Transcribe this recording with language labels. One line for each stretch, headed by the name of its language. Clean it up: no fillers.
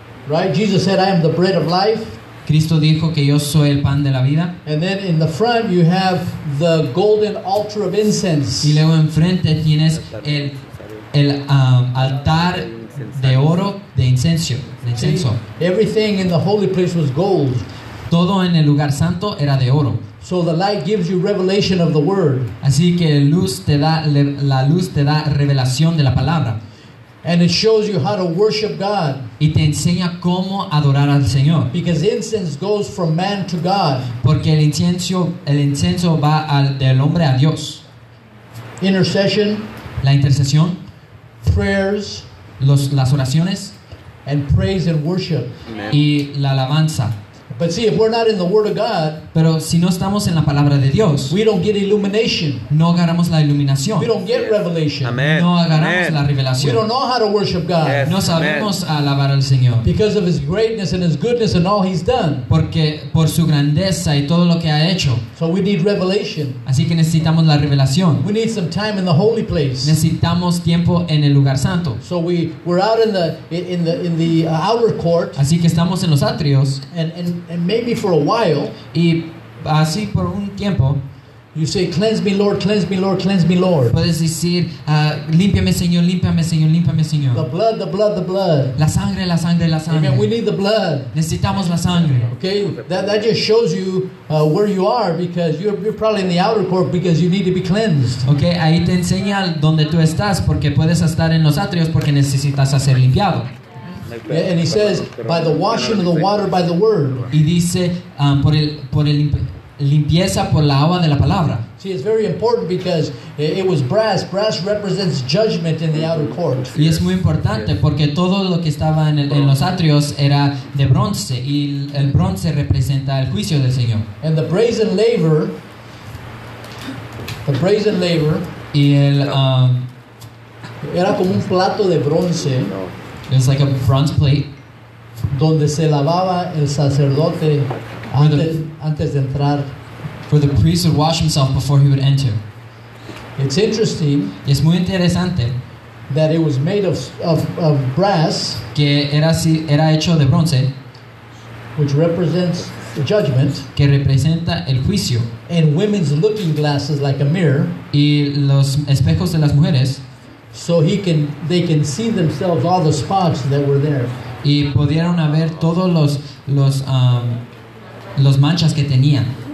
English: Right, Jesus said, "I am the bread of life."
Spanish: Cristo dijo que yo soy el pan de la vida.
English: And then in the front you have the golden altar of incense.
Spanish: Y luego enfrente tienes el altar de oro de incienso.
English: Everything in the holy place was gold.
Spanish: Todo en el lugar santo era de oro.
English: So the light gives you revelation of the word.
Spanish: Así que la luz te da revelación de la palabra.
English: And it shows you how to worship God.
Spanish: Y te enseña cómo adorar al Señor.
English: Because incense goes from man to God.
Spanish: Porque el incienso va del hombre a Dios.
English: Intercession.
Spanish: La intercesión.
English: Prayers.
Spanish: Las oraciones.
English: And praise and worship.
Spanish: Amen. Y la alabanza.
English: But see, if we're not in the Word of God,
Spanish: pero si no estamos en la palabra de Dios,
English: we don't get illumination.
Spanish: No agarramos la iluminación.
English: We don't get revelation. Amen.
Spanish: No agarramos Amen. La revelación.
English: We don't know how to worship God. Yes.
Spanish: No sabemos alabar al Señor.
English: Because of His greatness and His goodness and all He's done.
Spanish: Porque por su grandeza y todo lo que ha hecho.
English: So we need revelation.
Spanish: Así que necesitamos la revelación.
English: We need some time in the holy place.
Spanish: Necesitamos tiempo en el lugar santo.
English: So we're out in the outer court.
Spanish: Así que estamos en los atrios.
English: And maybe for a while,
Spanish: y así por un tiempo,
English: You say, cleanse me, Lord, cleanse me, Lord, cleanse me, Lord.
Spanish: Puedes decir, límpiame, Señor, límpiame, Señor, límpiame, Señor.
English: The blood, the blood, the blood.
Spanish: La sangre, la sangre, la sangre.
English: Amen, we need the blood.
Spanish: Necesitamos la sangre.
English: Okay, that just shows you where you are, because you're probably in the outer court because you need to be cleansed.
Spanish: Okay, ahí te enseña dónde tú estás, porque puedes estar en los atrios porque necesitas ser limpiado.
English: And he says, by the washing of the water, by the word.
Spanish: Y dice, limpieza por la agua de la palabra.
English: See, it's very important because it was brass. Brass represents judgment in the outer court.
Spanish: Y es muy importante porque todo lo que estaba en los atrios era de bronce. Y el bronce representa el juicio del Señor.
English: And the brazen laver,
Spanish: y el, era como un plato de bronce.
English: It's like a bronze plate.
Spanish: Donde se lavaba el sacerdote antes de entrar.
English: For the priest would wash himself before he would enter. It's interesting.
Spanish: Es muy interesante.
English: That it was made of brass.
Spanish: Que era hecho de bronce.
English: Which represents the judgment.
Spanish: Que representa el juicio.
English: And women's looking glasses like a mirror.
Spanish: Y los espejos de las mujeres.
English: So they can see themselves all the spots that were there.
Spanish: Y pudieron ver todos los manchas que tenían.